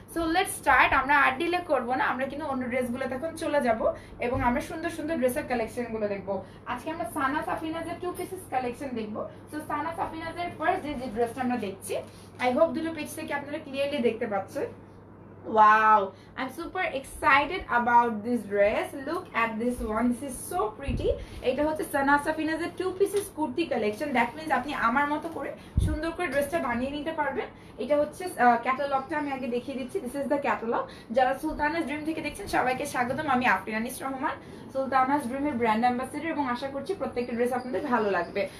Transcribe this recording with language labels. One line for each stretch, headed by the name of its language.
Bangla: So let's start, আমরা আর delay করবো না, আমরা কিন্তু অন্য ড্রেসগুলো তখন চলে যাব এবং আমরা সুন্দর সুন্দর ড্রেসের কালেকশনগুলো দেখবো। আজকে আমরা সানা সাফিনাজের 2 pieces কালেকশন দেখবো। সো সানা সাফিনাজের ফার্স্ট যে ড্রেসটা আমরা দেখছি,
English: I hope
Bangla: দুটো পেজ থেকে আপনারা ক্লিয়ারলি দেখতে পাচ্ছেন।
English: Wow, I'm super excited about this dress. Look at this one. This is so pretty.
Bangla: এটা হচ্ছে সানা সাফিনাজের 2 pieces kurti collection.
English: that means
Bangla: আপনি আমার মতো করে সুন্দর করে ড্রেসটা বানিয়ে নিতে পারবেন। এটা হচ্ছে ক্যাটালগটা আমি আগে দেখিয়ে দিচ্ছি,
English: This is the catalogue.
Bangla: যারা সুলতানাস ড্রিম থেকে দেখছেন সবাইকে স্বাগতম, আমি আফরিনিস রহমান, সুলতানাস ড্রিমের ব্র্যান্ড অ্যাম্বাসেডর, এবং আশা করছি প্রত্যেকটা ড্রেস আপনাদের ভালো লাগবে।